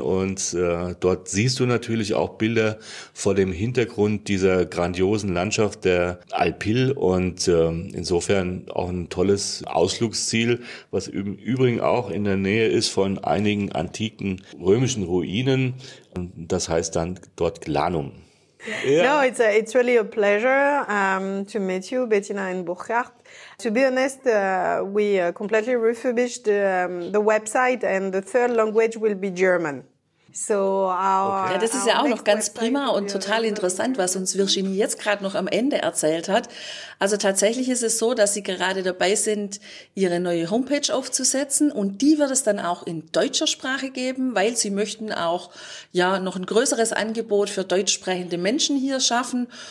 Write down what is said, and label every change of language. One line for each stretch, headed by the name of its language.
German: Und dort siehst du natürlich auch Bilder vor dem Hintergrund dieser grandiosen Landschaft der Alpille und insofern auch ein tolles Ausflugsziel, was im Übrigen auch in der Nähe ist von einigen antiken römischen Ruinen. Und das heißt dann dort Glanum.
English: Yeah. No, it's really a pleasure to meet you, Bettina and Burkhardt. To be honest, we completely refurbished the website, and the third language will be German.
German: Ja, das ist ja auch noch ganz prima und total interessant, was uns Virginie jetzt gerade noch am Ende erzählt hat. Also tatsächlich ist es so, dass sie gerade dabei sind, ihre neue Homepage aufzusetzen und die wird es dann auch in deutscher Sprache geben, weil sie möchten auch ja noch ein größeres Angebot für deutsch sprechende Menschen hier schaffen.